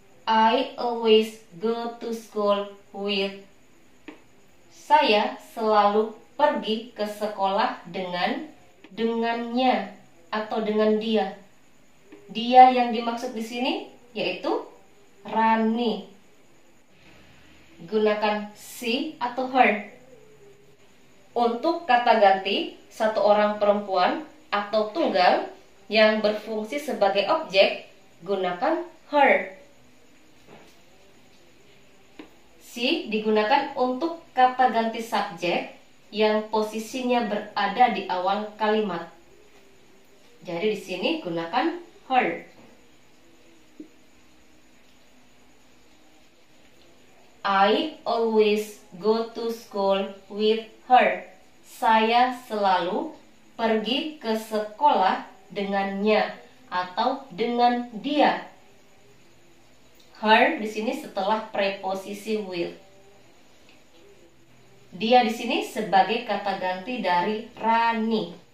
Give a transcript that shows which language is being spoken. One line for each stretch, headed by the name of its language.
English: I always go to school with.
Indonesian: Saya selalu pergi ke sekolah dengannya atau dengan dia. Dia yang dimaksud di sini yaitu Rani. Gunakan she atau her. Untuk kata ganti satu orang perempuan atau tunggal yang berfungsi sebagai objek, gunakan her. She digunakan untuk kata ganti subjek yang posisinya berada di awal kalimat. Jadi di sini gunakan her.
English: I always go to school with her.
Indonesian: Saya selalu pergi ke sekolah dengannya atau dengan dia. Her di sini setelah preposisi will. Dia di sini sebagai kata ganti dari Rani.